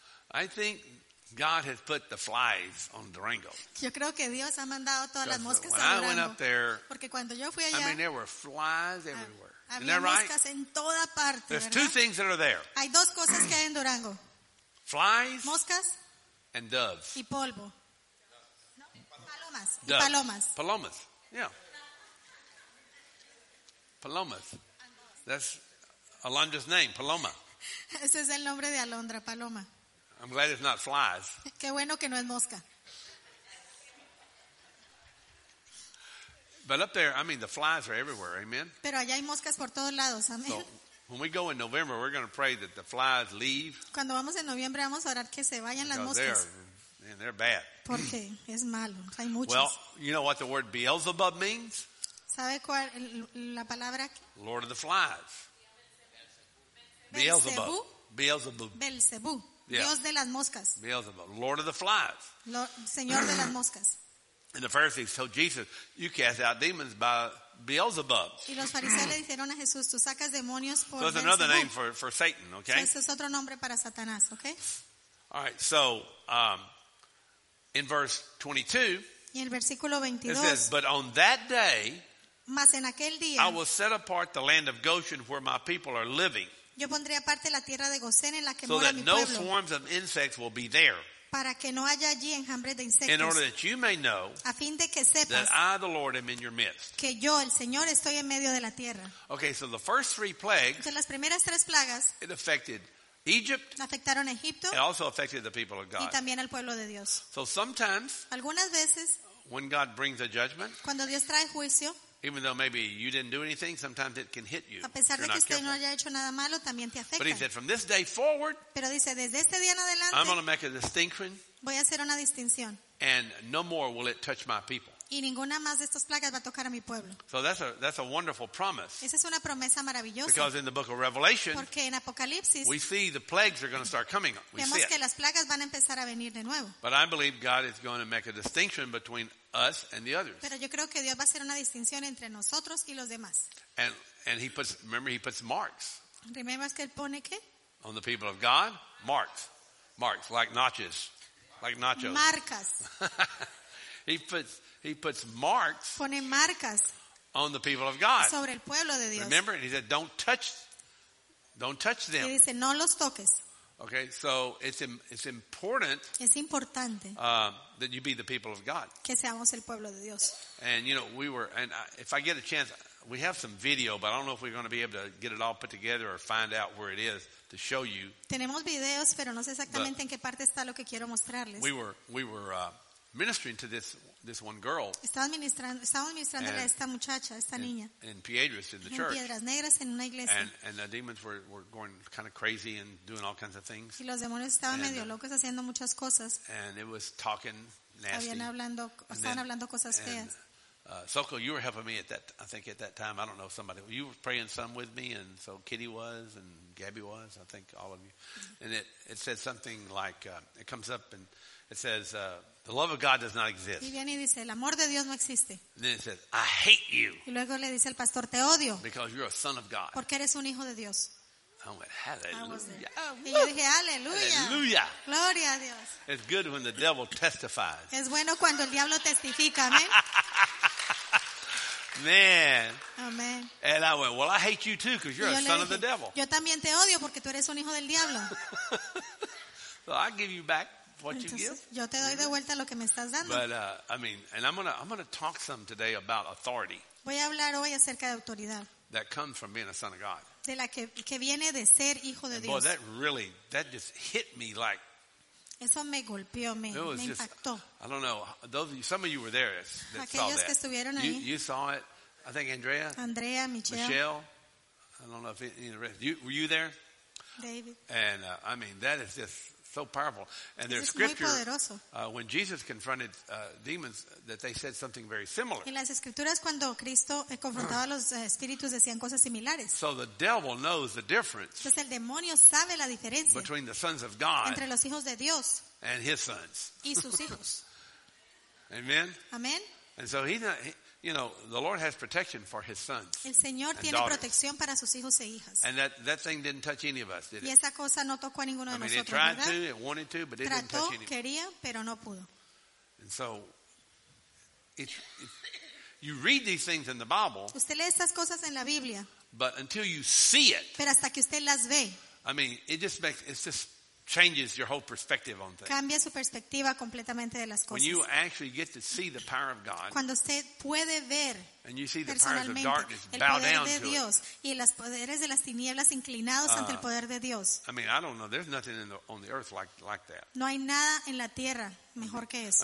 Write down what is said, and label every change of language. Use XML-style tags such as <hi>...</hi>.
<en>I think God has put the flies on Durango.</en> <es>Yo creo que Dios ha mandado todas las moscas</es> <en>when</en> <es>a Durango.</es> <en>I went up there,</en> <es>porque cuando yo fui allá,</es> <en>I mean, there were flies everywhere.</en> <es>Había moscas en toda parte.</es> <en>There's</en> <es>¿verdad?</es> <en>Two things that are there.</en> <es>Hay dos cosas que hay en Durango.</es> <en>Flies.</en> <es>Moscas.</es> <en>And doves.</en> <es>Y polvo. Palomas. Y palomas. Palomas. Yeah.</es> <en>Palomas. That's Alondra's name, Paloma.</en> <es>Ese es el nombre de Alondra, Paloma.</es> <en>I'm glad it's not flies.</en> <es>Qué bueno que no es mosca.</es> <en>But up there, I mean, the flies are everywhere, amen?</en> <es>Pero allá hay moscas por todos lados, amen.</es> <en>So, when we go in November, we're going to pray that the flies leave.</en> <es>Cuando vamos en noviembre, vamos a orar que se vayan las moscas.</es> <en>They're bad.</en> <es>Porque es malo, hay muchos.</es> <en>Well, you know what the word Beelzebub means?</en> <es>¿Sabe cuál la palabra?</es> <en>Lord of the flies. Beelzebub. Beelzebub.</en> <es>Belzebú. Yeah. Dios de las moscas.</es> <en>Beelzebub, Lord of the flies.</en> <es>Señor de las moscas.</es> <en>And the Pharisees told Jesus, "You cast out demons by Beelzebub."</en> <es>Y los fariseos le dijeron a Jesús, "Tú sacas demonios por Beelzebub."</es> <en>So that's another name for Satan, okay?</en> <es>Ese es otro nombre para Satanás, okay?</es> <en>All right. So, in verse 22,</en> <es>y el versículo 22,</es> <en>it says, "But on that day,</en> <es>mas en aquel día,</es> <en>I will set apart the land of Goshen where my people are living."</en> <es>Yo pondré aparte la tierra de Gosén en la que</es> <en>so</en> <es>mora</es> <en>that</en> <es>mi</es> <en>no</en> <es>pueblo.</es> <en>Swarms of insects will be there.</en> <es>Para que no haya allí enjambres de insectos.</es> <en>In order that you may know,</en> <es>a fin de que sepas,</es> <en>that I, the Lord, am in your midst.</en> <es>Que yo, el Señor, estoy en medio de la tierra.</es> <en>Okay, so the first three plagues.</en> <es>Entonces, las primeras tres plagas.</es> <en>It affected Egypt.</en> <es>Afectaron a Egipto.</es> <en>It also affected the people of God.</en> <es>Y también al pueblo de Dios.</es> <en>So sometimes.</en> <es>Algunas veces.</es> <en>When God brings a judgment.</en> <es>Cuando Dios trae juicio.</es> <en>Even though maybe you didn't do anything, sometimes it can hit you.</en> <es>A pesar de que usted no haya hecho nada malo, también te afecta.</es> <en>But he said, from this day forward,</en> <es>pero dice, desde este día en adelante,</es> <en>I'm going to make a distinction,</en> <es>voy a hacer una distinción.</es> <en>And no more will it touch my people.</en> <es>Y ninguna más de estas plagas va a tocar a mi pueblo.</es> <en>So that's a wonderful promise.</en> <es>Esa es una promesa maravillosa.</es> <en>Because in the book of Revelation,</en> <es>porque en Apocalipsis,</es> <en>we see the plagues are going to start coming. We</en> <es>vemos</es> <en>see</en> <es>que las plagas van a empezar a venir de nuevo.</es> <en>But I believe God is going to make a distinction between us and the others.</en> <es>Pero yo creo que Dios va a hacer una distinción entre nosotros y los demás.</es> <en>And he puts, remember he puts marks.</en> <es>¿Recuerdas que él pone qué?</es> <en>On the people of God, marks. Marks like notches. Like nachos.</en> <es>Marcas.</es> <en>He puts marks.</en> <es>Pone marcas.</es> <en>On the people of God.</en> <es>Sobre el pueblo de Dios.</es> <en>Remember, and he said, don't touch them.</en> <es>Y dice, no los toques.</es> <en>Okay, so it's important.</en> <es>Es importante.</es> <en>That you be the people of God.</en> <es>Que seamos el pueblo de Dios.</es> <en>And you know, we were, and if I get a chance, we have some video, but I don't know if we're going to be able to get it all put together or find out where it is to show you.</en> <es>Tenemos videos, pero no sé exactamente en qué parte está lo que quiero mostrarles.</es> <en>We were ministering to this one girl.</en> <es>Estaba ministrando a esta muchacha, esta niña.</es> <en>In Piedras, in the church.</en> <es>En Piedras Negras, en una iglesia.</es> <en>And the demons were going kind of crazy and doing all kinds of things.</en> <es>Y los demonios estaban medio locos haciendo muchas cosas.</es> <en>And it was talking nasty.</en> <es>Estaban hablando cosas feas.</es> <en>Soko, you were helping me at that time. I don't know, somebody. You were praying some with me, and so Kitty was, and Gabby was, I think all of you. And it said something like, it comes up and it says, the love of God does not exist.</en> <es>Y viene y dice, el amor de Dios no existe.</es> <en>And then it says, I hate you.</en> <es>Y luego le dice el pastor, te odio.</es> <en>Because you're a son of God.</en> <es>Porque eres un hijo de Dios.</es> <en>I went, hallelujah.</en> <es>Y yo dije, aleluya. Aleluya. Gloria a Dios.</es> <en>It's good when the devil testifies.</en> <es>Es bueno cuando el diablo testifica, amén.</es> <en>Man. Amen. And I went, well, I hate you too because you're a son of the devil.</en> <es>Yo también te odio porque tú eres un hijo del diablo.</es> <en>So I give you back what you give.</en> <es>Yo te doy de vuelta lo que me estás dando.</es> <en>But I mean, and I'm gonna talk some today about authority.</en> <es>Voy a hablar hoy acerca de autoridad.</es> <en>That comes from being a son of God.</en> <es>De la que viene de ser hijo de</es> <en>and</en> <es>Dios.</es> <en>Boy, that just hit me like.</en> <es>Eso me golpeó, me impactó.</es> <en>I don't know. Some of you were there. That</en> <es>aquellos</es> <en>saw that.</en> <es>Que estuvieron</es> <en>you,</en> <es>ahí.</es> <en>You saw it. I think Andrea. Andrea, Michelle. I don't know if any of the rest. Were you there? David. And I mean, that is just so powerful. And there's scripture. When Jesus confronted demons, that they said something very similar.</en> <es>En las escrituras cuando Cristo confrontaba a los espíritus decían cosas similares.</es> <en>So the devil knows the difference.</en> <es>Entonces el demonio sabe la diferencia.</es> <en>Between the sons of God.</en> <es>Entre los hijos de Dios.</es> <en>And his sons.</en> <es>Y sus hijos.</es> <en>Amen.</en> <es>Amen.</es> <en>And so you know, the Lord has protection for his sons.</en> <es>El Señor tiene protección para sus hijos e hijas.</es> <en>And that thing didn't touch any of us, did it?</en> <es>Y esa cosa no tocó a ninguno de nosotros.</es> <en>It tried to, it wanted to, but it</en> <es>trató,</es> <en>didn't touch any of us.</en> <es>Quería, pero no pudo.</es> <en>And so you read these things in the Bible.</en> <es>Usted lee estas cosas en la Biblia.</es> <en>But until you see it.</en> <es>Pero hasta que usted las ve.</es> <en>I mean, it just changes your whole perspective on things.</en> <es>Cambia su perspectiva completamente de las cosas.</es> <en>When you actually get to see the power of God.</en> <es>Cuando usted puede ver.</es> <en>And you see the powers of darkness</en> <es>el poder</es> <en>bow down</en> <es>de Dios</es> <en>to</en> <es>y los poderes de las tinieblas inclinados ante el poder de Dios.</es> <en>I mean, I don't know. There's nothing on the earth like that.</en> <es>No hay nada en la tierra mejor que eso.</es>